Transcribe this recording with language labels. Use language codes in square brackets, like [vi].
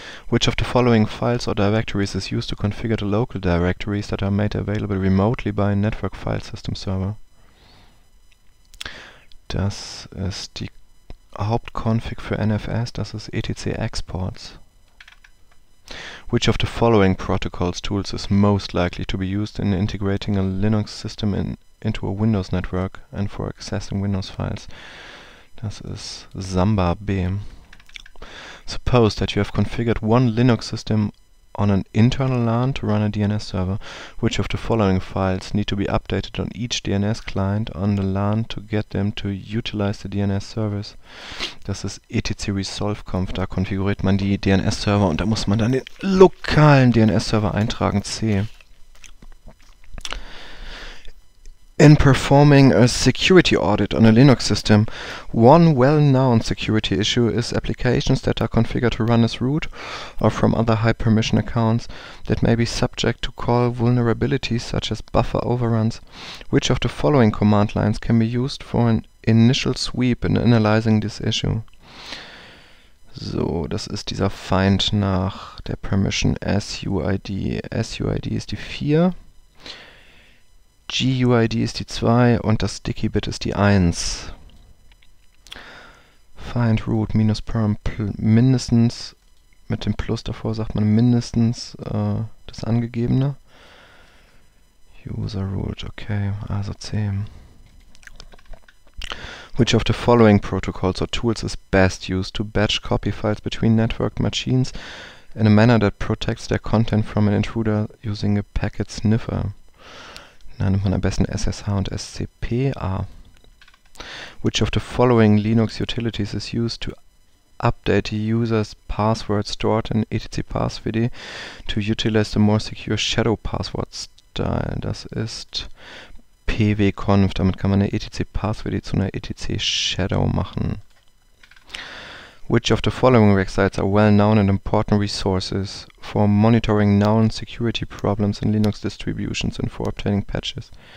[en] Which of the following files or directories is used to configure the local directories that are made available remotely by a Network File System Server? [de] Das ist die Hauptconfig für NFS, das ist etc/exports. [en] Which of the following protocols tools is most likely to be used in integrating a Linux system into a Windows network and for accessing Windows files? [de] Das ist Samba B. [en] Suppose that you have configured one Linux system on an internal LAN to run a DNS server. Which of the following files need to be updated on each DNS client on the LAN to get them to utilize the DNS service? [de] Das ist etc/resolve.conf. Da konfiguriert man die DNS-Server und da muss man dann den lokalen DNS-Server eintragen. C. [en] In performing a security audit on a Linux system, one well-known security issue is applications that are configured to run as root or from other high-permission accounts that may be subject to call vulnerabilities such as buffer overruns. Which of the following command lines can be used for an initial sweep in analyzing this issue? [de] So, das ist dieser Feind nach der Permission SUID. SUID ist die 4. GUID ist die 2 und das Sticky-Bit ist die 1. Find root minus perm mindestens, mit dem Plus davor sagt man mindestens das angegebene. User root, okay, also 10. [en] Which of the following protocols or tools is best used to batch copy files between network machines in a manner that protects their content from an intruder using a packet sniffer? [de] Na, nimmt man am besten SSH und SCPA. [en] Which of the following Linux utilities is used to update the user's password stored in etcpasswd to utilize the more secure shadow password style? [de] Das ist pwconf. Damit kann man eine etcpasswd zu einer etcshadow machen. [en] Which of the following websites are well known and important resources for monitoring known security problems in Linux distributions and for obtaining patches?